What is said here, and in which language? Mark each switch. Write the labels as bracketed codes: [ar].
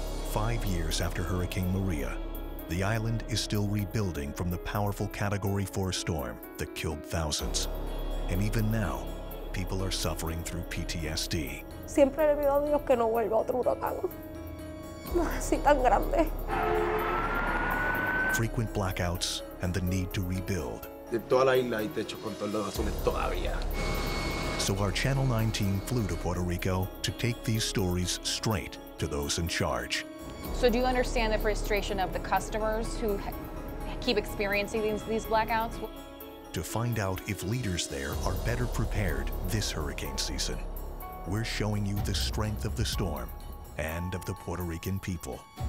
[en] 5 years after Hurricane Maria, the island is still rebuilding from the powerful Category 4 storm that killed thousands. And even now, people are suffering through PTSD. [es] Siempre le pido a Dios que no vuelva otro huracán. No así tan grande. [en] Frequent blackouts and the need to rebuild. [es] De toda la isla hay techos con todos los azules todavía. [en] So our Channel 9 team flew to Puerto Rico to take these stories straight to those in charge. So do you understand the frustration of the customers who keep experiencing these blackouts? To find out if leaders there are better prepared this hurricane season, we're showing you the strength of the storm and of the Puerto Rican people.